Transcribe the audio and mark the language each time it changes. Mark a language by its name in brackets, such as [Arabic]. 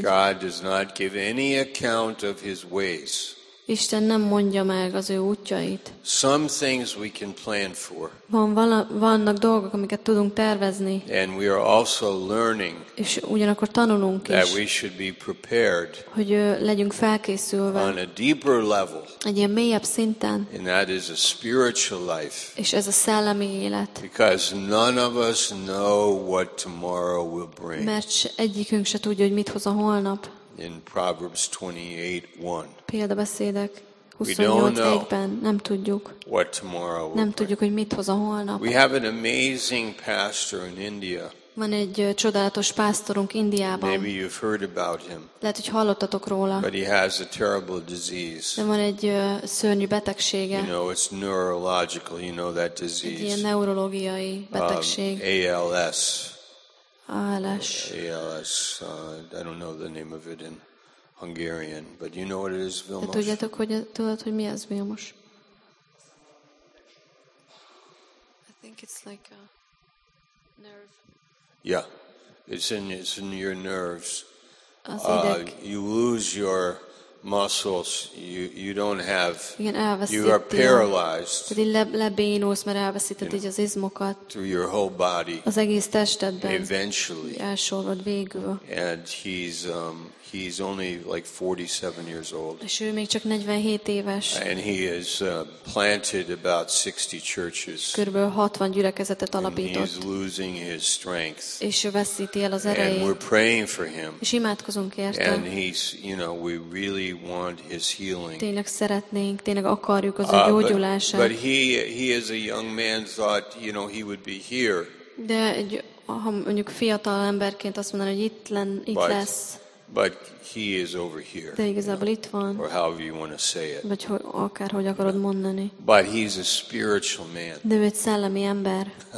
[English] God does not give any account of his ways. [Hungarian] Isten nem mondja meg az ő útjait. [English] Some things we can plan for. [Hungarian] Vannak dolgok, amiket tudunk tervezni. [English] And we are also learning. [Hungarian] És ugyanakkor tanulunk is. [English] That we should be prepared. [Hungarian] Hogy legyünk felkészülve. [English] On a deeper level. [Hungarian] Egy ilyen mélyebb szinten. [English] And that is a spiritual life. [Hungarian] És ez a szellemi élet. [English] Because none of us know what tomorrow will bring. [Hungarian] Mert egyikünk se tudja, hogy mit hoz a holnap. [English] In Proverbs 28:1. [Hungarian] Példabeszédek 28:1-ben nem tudjuk. [English] What tomorrow will [Hungarian] nem tudjuk, hogy mit hoz a holnap. [English] We have an amazing pastor in India. [Hungarian] Van egy csodálatos pásztorunk Indiában. [English] Maybe you've heard about him. [Hungarian] Lehet, hogy hallottatok róla. [English] But he has a terrible disease. [Hungarian] De van egy szörnyű betegsége. [English] You know, it's neurological, you know that disease. [Hungarian] Egy ilyen neurológiai betegség. [English] ALS. [Hungarian] ALS. ALS. [English] I don't know the name of it in Hungarian, but you know what it is, Vilmos. [Hungarian] Tudjátok, hogy tudod, hogy mi az, Vilmos? [English] I think it's like a nerve. Yeah, it's in your nerves. [Hungarian] Az ideg. [English] You lose your muscles. You don't have. [Hungarian] Igen, elveszíted. [English] You are paralyzed. [Hungarian] Lebénulsz, mert elveszíted így az izmokat. [English] Through your whole body. [Hungarian] Az egész testedben. [English] Eventually. [Hungarian] Elsorvad végül. [English] And he's only like 47 years old. [Hungarian] És ő még csak 47 éves. [English] And he has planted about 60 churches. [Hungarian] Körülbelül 60 gyülekezetet alapított. [English] And he's losing his strength. [Hungarian] És ő veszíti el az erejét. [English] And we're praying for him. [Hungarian] És imádkozunk érte. [English] And he's, you know, we really want his healing. [Hungarian] Tényleg szeretnénk, tényleg akarjuk az ő gyógyulását. [English] But he is a young man, thought, you know, he would be here. [Hungarian] De egy, ha mondjuk fiatal emberként azt mondaná, hogy itt lesz. [English] But he is over here. [Hungarian] De igazából itt van. [English] Or however you want to say it. [Hungarian] Vagy akárhogy akarod mondani. [English] But he's a spiritual man. [Hungarian] De egy szellemi ember.